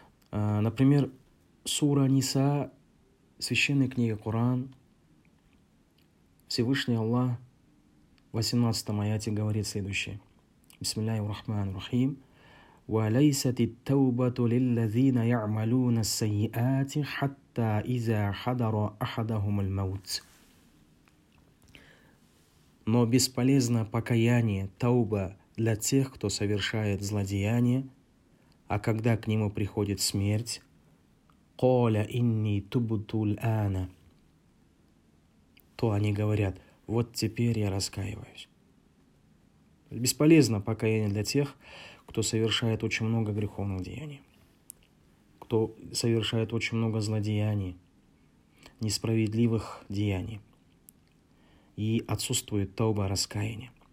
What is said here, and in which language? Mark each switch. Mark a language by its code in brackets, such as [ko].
[ru] Например, сура Ниса, священная книга Коран, Всевышний Аллах в 18 аяте говорит следующее. [ar] Бисмиллахи рахмани рахим. وليست التوبة للذين يعملون السيئات حتى إذا حضر أحدهم الموت. [ru] Но бесполезно покаяние, тауба для тех, кто совершает злодеяние, а когда к нему приходит смерть, [ar] قال إني تبت الآن. [ru] То они говорят: вот теперь я раскаиваюсь. Бесполезно покаяние для тех, кто совершает очень много греховных деяний, кто совершает очень много злодеяний, несправедливых деяний, и отсутствует тауба, раскаяние.